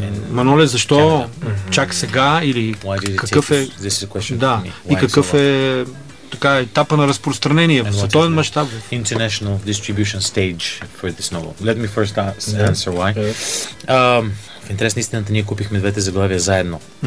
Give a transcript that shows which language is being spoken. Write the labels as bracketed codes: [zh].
[bg] Маноле, защо чак сега или какъв е, да, и какъв е така етапа на разпространение в световен мащаб? [en] International distribution stage for this novel. Let me first answer why. [bg] В интерес на истината, ние купихме двете заглавия заедно.